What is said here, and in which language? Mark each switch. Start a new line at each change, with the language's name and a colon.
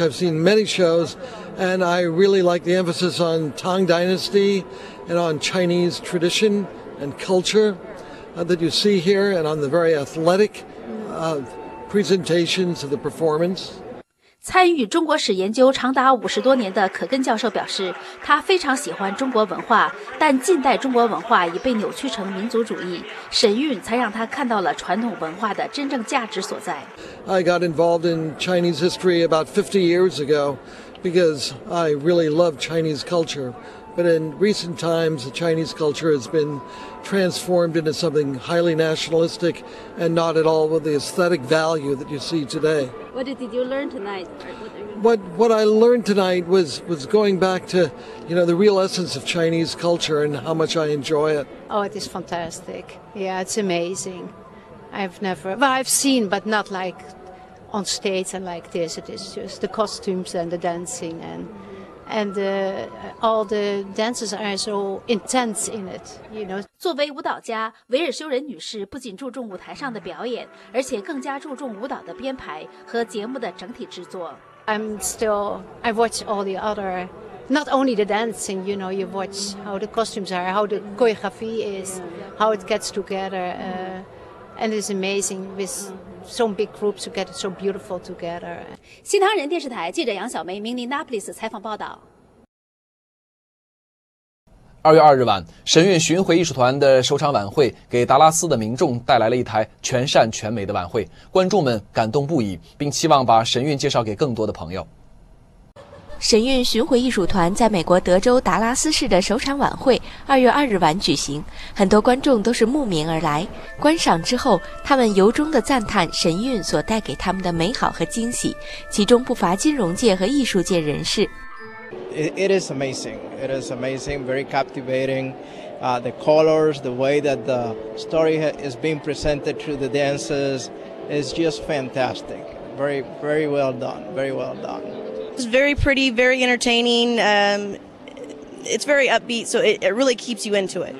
English: I've seen many shows, and I really like the emphasis on Tang Dynasty and on Chinese tradition and culture that you see here, and on the very athletic presentations of the performance.
Chinese: 参与中国史研究长达50多年的可根教授表示，他非常喜欢中国文化，但近代中国文化已被扭曲成民族主义，神韵才让他看到了传统文化的真正价值所在。
English: I got involved in Chinese history about 50 years ago because I really love Chinese culture, but in recent times Chinese culture has been transformed into something highly nationalistic and not at all with the aesthetic value that you see today. What did you learn tonight? What I learned tonight was going back to, you know, the real essence of Chinese culture and how much I enjoy it. Oh, it is fantastic. Yeah, it's amazing. I've seen, but not like on stage and like this. It is just the costumes and the dancing and all the dancers are so intense in it, you know.
Chinese: 作为舞蹈家，维尔修仁女士不仅注重舞台上的表演，而且更加注重舞蹈的编排和节目的整体制作。
English: I watch all the other, not only the dancing, you know, you watch how the costumes are, how the choreography is, how it gets together, and it's amazing with so big groups to get so beautiful together.
Chinese: 新唐人电视台记者杨小梅，明尼纳波利斯采访报道。 2月2日晚，神韵巡回艺术团的首场晚会给达拉斯的民众带来了一台全善全美的晚会，观众们感动不已，并期望把神韵介绍给更多的朋友。神韵巡回艺术团在美国德州达拉斯市的首场晚会2月2日晚举行，很多观众都是慕名而来。观赏之后，他们由衷地赞叹神韵所带给他们的美好和惊喜，其中不乏金融界和艺术界人士。
English: It is amazing. It is amazing. Very captivating. The colors, the way that the story is being presented through the dances is just fantastic. Very, very well done. Very well done. It's very pretty, very entertaining. It's very upbeat, so it really keeps you into it.